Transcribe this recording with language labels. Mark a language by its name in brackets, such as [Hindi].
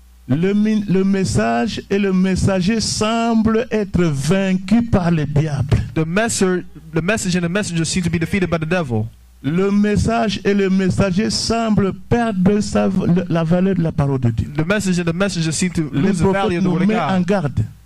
[French] Le message et le messager semblent être vaincus par le diable. [English] The message and the messenger seem to be defeated by the devil. [French] Le message et le messager semblent perdre la valeur de la parole de Dieu. [English] The message and the messenger seem to lose the value of the word of God.